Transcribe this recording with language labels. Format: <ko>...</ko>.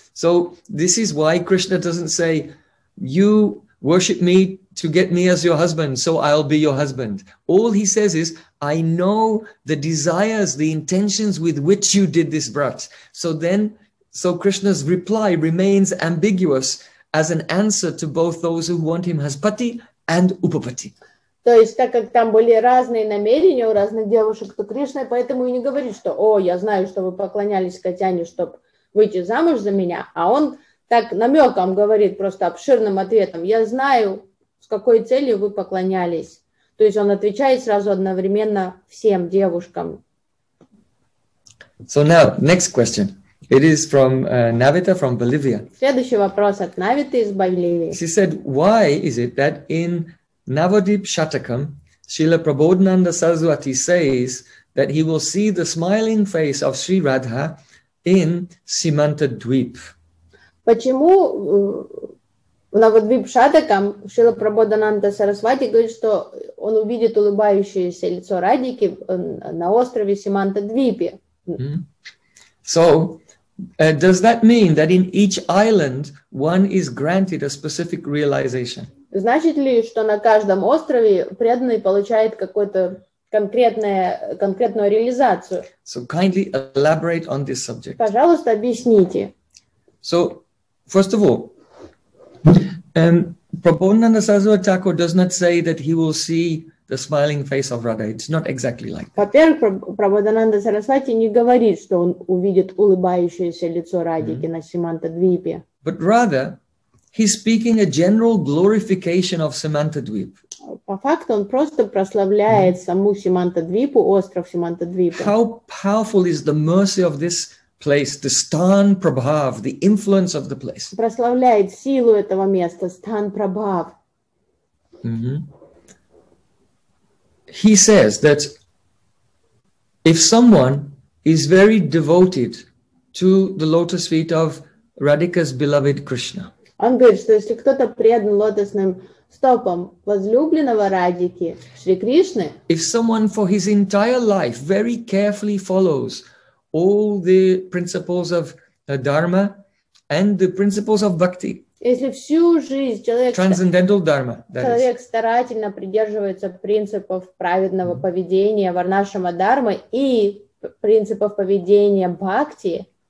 <en>So this is why Krishna doesn't say, you worship me to get me as your husband, so I'll be your husband. All he says is, I know the desires, the intentions with which you did this vrat. So Krishna's reply remains ambiguous as an answer to both those who want him as pati and upapati.</en> <ru>То есть, так как там были разные намерения у разных девушек, то Кришна поэтому и не говорит, что, о, я знаю, что вы поклонялись Катьяне, чтобы выйти замуж за меня, а он так намеком говорит, просто обширным ответом, я знаю, с какой целью вы поклонялись. То есть он отвечает сразу одновременно всем девушкам.</ru> <en>So now, next question. It is from Navita from Bolivia.</en> <ru>Следующий вопрос от Навиты из Боливии.</ru> <en>She said, why is it that in Navadip Shatakam, Srila Prabodhananda Saraswati says that he will see the smiling face of Sri Radha in Simantadvip?</en> <ru>Почему в Навадвип Шатакам Шрила Прабодхананда Сарасвати говорит, что он увидит улыбающееся лицо Радики на острове Симантадвипе?</ru> <en>So, does that mean that in each island one is granted a specific realization?</en> <ru>Значит ли, что на каждом острове преданный получает какую-то конкретную реализацию?</ru> <en>So kindly elaborate on this subject.</en> <ru>Пожалуйста, объясните.</ru> <en>So, first of all, Prabodhananda Saraswati Thakur does not say that he will see the smiling face of Radha. It's not exactly like that.</en> <ru>Во-первых, Прабодхананда Сарасвати не говорит, что он увидит улыбающееся лицо Радики на Симантадвипе.</ru> <en>But rather, he's speaking a general glorification of Simantadvip.</en> <ru>По факту он просто прославляет саму Симантадвипу, остров Симантадвипа.</ru> <en>How powerful is the mercy of this place, the sthan prabhav, the influence of the place.</en> <ru>Прославляет силу этого места, sthan prabhav.</ru> <en>He says that if someone is very devoted to the lotus feet of Radhika's beloved Krishna,</en> <ru>он говорит, что если кто-то предан лотосным стопам возлюбленного Радики, Шри Кришны,</ru> <en>if someone for his entire life very carefully follows all the principles of dharma and the principles of bhakti,</en> <ru>если всю жизнь человек,</ru> <en>transcendental dharma, that</en> <ru>человек</ru> <en>is,</en> <ru>старательно придерживается принципов праведного поведения, варнашама дарма и принципов поведения бхакти,</ru>